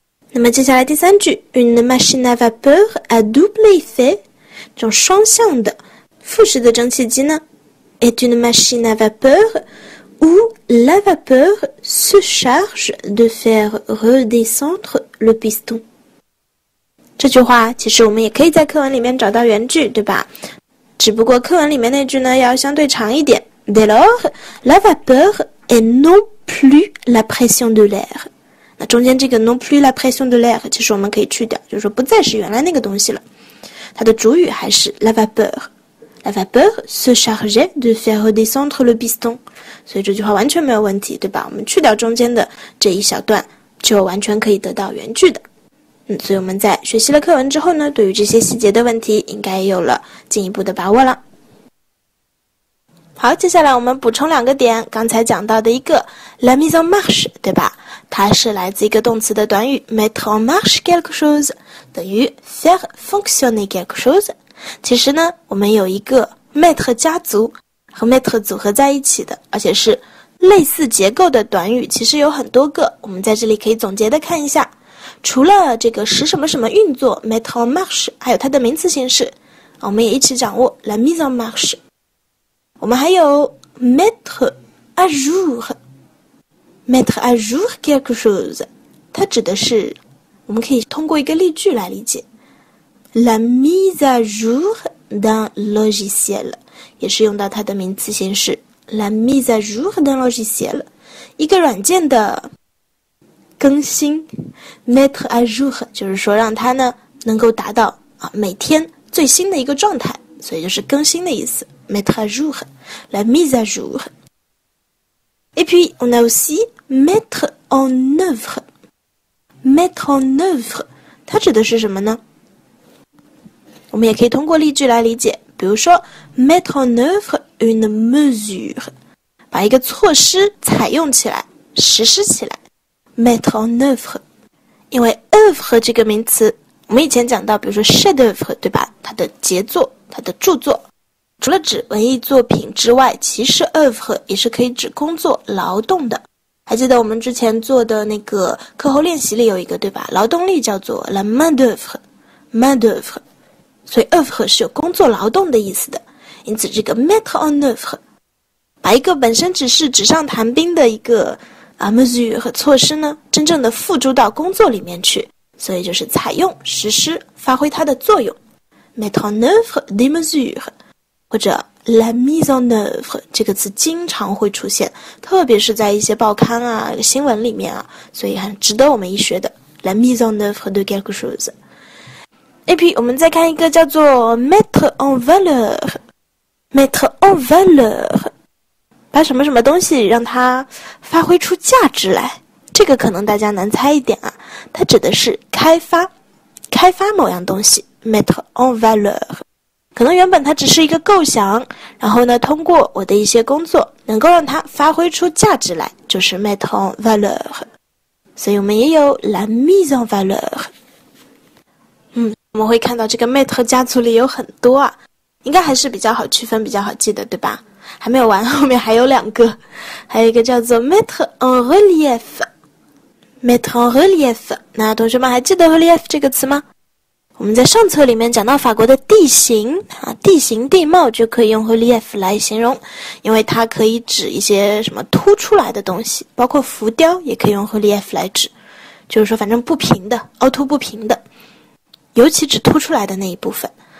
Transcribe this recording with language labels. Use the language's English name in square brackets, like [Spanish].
[Chinese] 那么接下来第三句 [French] une machine à vapeur à double effet， [Chinese] 这种双向的复式的蒸汽机呢 [French] est une machine à vapeur où la vapeur se charge de faire redescendre le piston. [Chinese] 这句话其实我们也可以在课文里面找到原句，对吧？只不过课文里面那句呢要相对长一点。 [French] Dès lors, la vapeur est non plus la pression de l'air. [Chinese] 那中间这个 [French] non plus la pression de l'air [Chinese] 其实我们可以去掉，就是说不再是原来那个东西了。它的主语还是 la vapeur。 [French] La vapeur se chargeait de faire redescendre le piston. [Chinese] 所以这句话完全没有问题，对吧？我们去掉中间的这一小段，就完全可以得到原句的。所以我们在学习了课文之后呢，对于这些细节的问题应该有了进一步的把握了。好，接下来我们补充两个点，刚才讲到的一个 [French] la mise en marche, [Chinese] 对吧？它是来自一个动词的短语 [French] mettre en marche quelque chose, [Chinese] 等于 [French] faire fonctionner quelque chose。 [Chinese] 其实呢，我们有一个 mettre 加足和 mettre 组合在一起的，而且是类似结构的短语，其实有很多个，我们在这里可以总结的看一下。除了这个使什么什么运作 [French] mettre en marche, [Chinese] 还有它的名词形式，我们也一起掌握 [French] la mise en marche。 [Chinese] 我们还有 [French] mettre à jour, mettre à jour quelque chose, [Chinese] 它指的是，我们可以通过一个例句来理解， [French] La mise à jour d'un logiciel, [Chinese] 也是用到它的名词形式。 [French] La mise à jour d'un logiciel, [Chinese] 一个软件的更新。 [French] Mettre à jour, [Chinese] 就是说让它呢能够达到啊每天最新的一个状态，所以就是更新的意思。 [French] Mettre à jour, la mise à jour. Et puis, on a aussi mettre en œuvre. Mettre en œuvre, [Chinese] 它指的是什么呢？我们也可以通过例句来理解，比如说 [French] mettre en œuvre une mesure, [Chinese] 把一个措施采用起来，实施起来， [French] mettre en œuvre, [Chinese] 因为 œuvre 这个名词，我们以前讲到，比如说 [French] chef d'œuvre, [Chinese] 对吧？它的杰作，它的著作，除了指文艺作品之外，其实 œuvre 也是可以指工作、劳动的。还记得我们之前做的那个课后练习里有一个，对吧？劳动力叫做 [French] la main d'œuvre, main d'œuvre。 [Chinese] 所以 œuvre 是有工作劳动的意思的，因此这个 [French] mettre en œuvre [Chinese] 把一个本身只是纸上谈兵的一个啊 mesure 和措施呢真正的付诸到工作里面去，所以就是采用实施发挥它的作用， [French] mettre en œuvre des mesures [Chinese] 或者 [French] la mise en œuvre [Chinese] 这个词经常会出现，特别是在一些报刊啊新闻里面啊，所以很值得我们一学的 [French] la mise en œuvre de quelque chose。 Et puis, [Chinese] 我们再看一个叫做 [French] mettre en valeur. Mettre en valeur. [Chinese] 把什么什么东西让它发挥出价值来。这个可能大家难猜一点啊。它指的是开发。开发某样东西。 [French] Mettre en valeur. [Chinese] 可能原本它只是一个构想，然后呢，通过我的一些工作，能够让它发挥出价值来，就是 [French] mettre en valeur. [Chinese] 所以我们也有 [French] la mise en valeur. [Chinese] 我们会看到这个 mettre 家族里有很多啊，应该还是比较好区分比较好记的，对吧？还没有完，后面还有两个，还有一个叫做 [French] mettre en relief。 mettre en relief， [Chinese] 那同学们还记得 relief 这个词吗？我们在上册里面讲到法国的地形啊，地形地貌就可以用 relief 来形容，因为它可以指一些什么凸出来的东西，包括浮雕也可以用 relief 来指，就是说反正不平的，凹凸不平的，尤其指凸出来的那一部分。